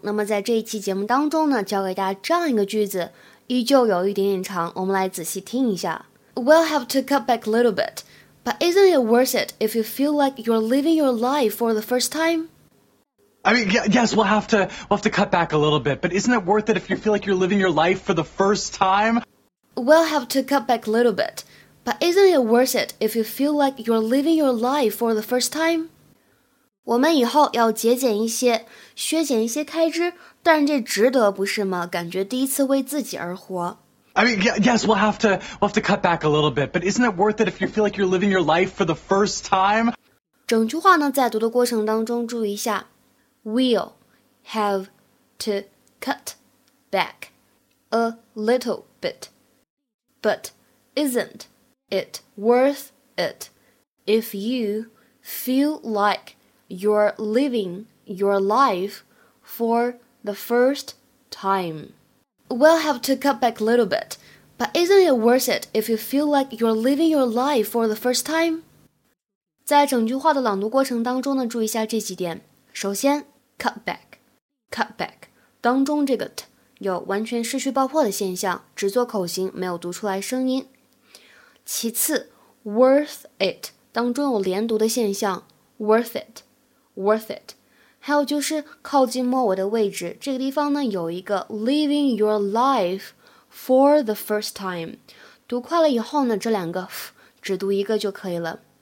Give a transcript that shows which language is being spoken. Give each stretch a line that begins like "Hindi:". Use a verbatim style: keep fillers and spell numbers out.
Chinese: 那么在这一期节目当中呢，教给大家这样一个句子，依旧有一点点长，我们来仔细听一下。
English: We'll have to cut back a little bit, but isn't it worth it if you feel like you're living your life for the first time? I mean, yes, we'll have to, we'll have to cut back a little bit, but isn't it worth it if you feel like you're living your life for the first time? We'll have to cut back a little bit, but isn't it worth it if you feel like you're living your life for the first time?
Chinese: 我们以后要节俭一些，削减一些开支，但这值得不是吗？感觉第一次为自己而活。
English: I mean, yes, we'll have to, we'll have to cut back a little bit, but isn't it worth it if you feel like you're living your life for the first time?
Chinese: 整句话呢，在读的过程当中注意一下。
English: We'll have to cut back a little bit, but isn't it worth it if you feel like you're living your life for the first time? We'll have to cut back a little bit, but isn't it worth it if you feel like you're living your life for the first time?
Chinese: 在整句话的朗读过程当中呢，注意一下这几点。首先Cut back, cut back 当中这个 t 有完全失去爆破的现象，只做口型，没有读出来声音。其次 worth it 当中有连读的现象 worth it, worth it 还有就是靠近末尾的位置，这个地方呢有一个
English: living your life for the first time，
Chinese: 读快了以后呢，这两个只读一个就可以了。